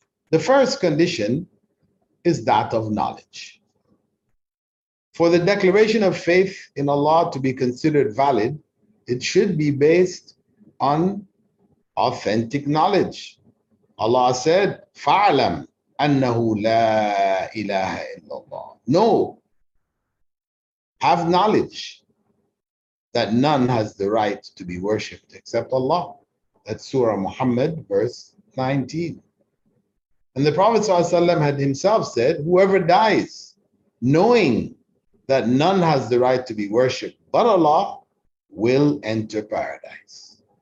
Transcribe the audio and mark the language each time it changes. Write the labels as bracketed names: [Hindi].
[English] The first condition is that of knowledge. For the declaration of faith in Allah to be considered valid, it should be based on authentic knowledge. Allah said, [Arabic] فَعْلَمْ أَنَّهُ لَا إِلَهَ إِلَّا اللَّهُ. [English] Know have knowledge that none has the right to be worshipped except Allah. That's Surah Muhammad, verse 19. And the Prophet ﷺ had himself said, whoever dies knowing that none has the right to be worshipped but Allah will enter paradise.